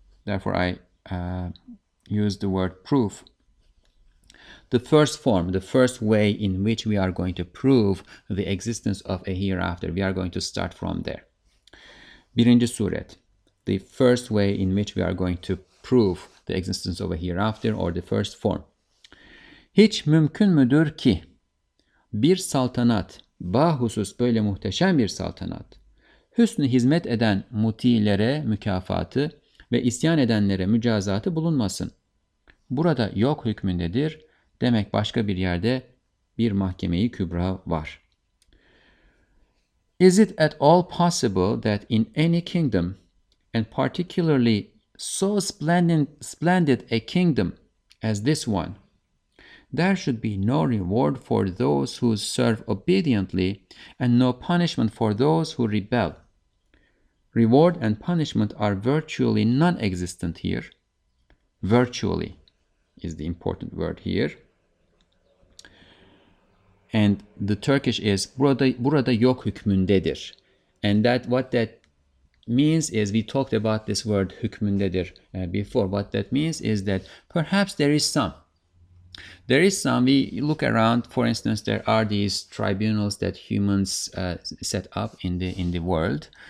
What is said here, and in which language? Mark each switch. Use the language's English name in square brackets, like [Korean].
[English] Therefore, I use the word proof. The first form, the first way in which we are going to prove the existence of a hereafter, we are going to start from there. [Turkish] Birinci suret, [English] the first way in which we are going to prove the existence of a hereafter, or the first form. [Turkish] Hiç mümkün müdür ki bir saltanat, bahusus böyle muhteşem bir saltanat, hüsnü hizmet eden mutilere mükafatı ve isyan edenlere mücazatı bulunmasın. Burada yok hükmündedir. Demek başka bir yerde bir mahkemeyi kübra var. [English] Is it at all possible that in any kingdom, and particularly so splendid a kingdom as this one, there should be no reward for those who serve obediently and no punishment for those who rebel? Reward and punishment are virtually non-existent here. Virtually is the important word here. And the Turkish is [Turkish] burada yok hükmündedir. [English] And that what that means is, we talked about this word hükmündedir before. What that means is that perhaps there is some. There is some. We look around, for instance, there are these tribunals that humans set up in the world.